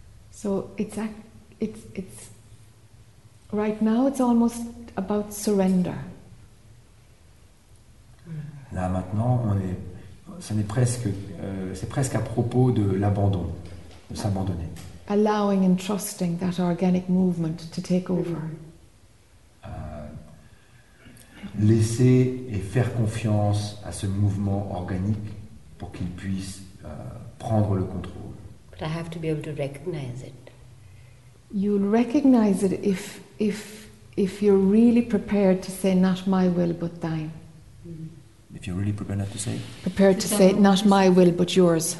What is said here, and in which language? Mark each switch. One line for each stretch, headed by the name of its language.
English: So it's right now it's almost about surrender.
French: Là maintenant, c'est presque à propos de l'abandon, de s'abandonner.
English: Allowing and trusting that organic movement to take over.
French: Laisser et faire confiance à ce mouvement organique pour qu'il puisse prendre le contrôle.
English: But I have to be able to recognize it. You'll recognize it if you're really prepared to say not my will but thine. If you're really prepared not to say? Prepared to say not my will but yours.